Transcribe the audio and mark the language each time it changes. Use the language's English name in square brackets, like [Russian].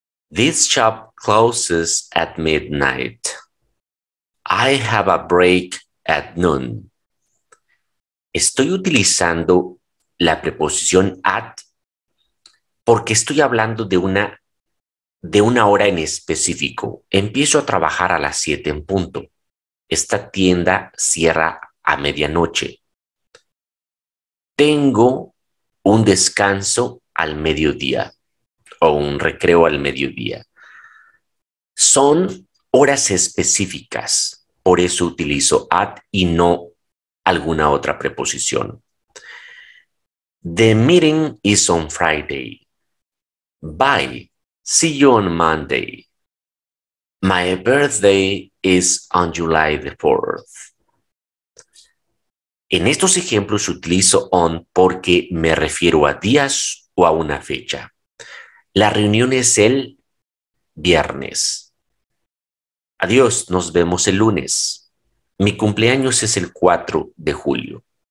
[English] This shop closes at midnight. I have a break at noon. [Spanish] Estoy utilizando la preposición at porque estoy hablando de una hora en específico. Empiezo a trabajar a las 7 en punto. Esta tienda cierra a medianoche. Tengo un descanso al mediodía o un recreo al mediodía. Son horas específicas. Por eso utilizo at y no alguna otra preposición. [English] The meeting is on Friday. Bye. See you on Monday. My birthday is on July the 4th. [Spanish] En estos ejemplos utilizo on porque me refiero a días o a una fecha. La reunión es el viernes. Adiós, nos vemos el lunes. Mi cumpleaños es el 4 de julio.